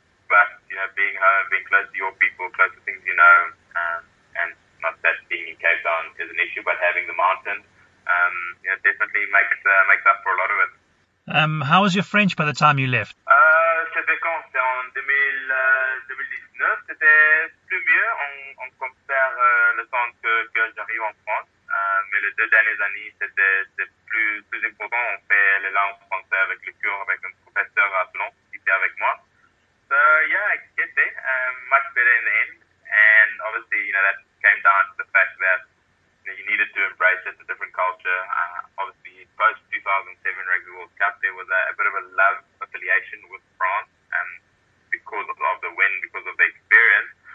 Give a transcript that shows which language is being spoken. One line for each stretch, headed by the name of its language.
English: But, you know, being home, being close to your people, close to things you know, and not that being in Cape Town is an issue, but having the mountains, you know, definitely makes up for a lot of it. How was your French by the time you left?
French: C'était quand? C'était en 2019. C'était plus mieux. On compare le temps que j'arrive en France. Mais les deux dernières années, c'était plus important. On fait les langues françaises avec le cours, avec un professeur à Toulon qui était avec moi.
English: So, yeah, I guess it. Much better in the end. And obviously, you know, that came down to the fact that, you know, you needed to embrace just a different culture. Obviously, post 2007 Rugby World Cup, there was a bit of a love affiliation with France, because of the win, because of the experience.